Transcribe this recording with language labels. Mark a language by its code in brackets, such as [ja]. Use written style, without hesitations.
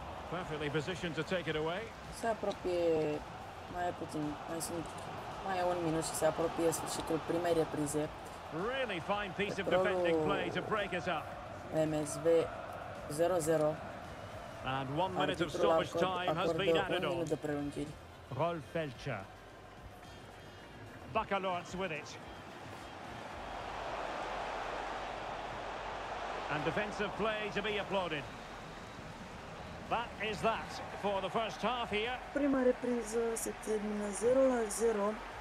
[en] Perfectly positioned to take it away. [ro] Se apropie mai puțin, mai sunt mai un minut și se apropie sfârșitul primei reprize. [en] Really fine piece of defending play to break it up. MSV 0-0. And 1 minute of stoppage time has been added on. Rolf Felcher. Bacalorts with it. And defensive play to be applauded. That is that for the first half here. [ro] Prima repriză se termină 0-0.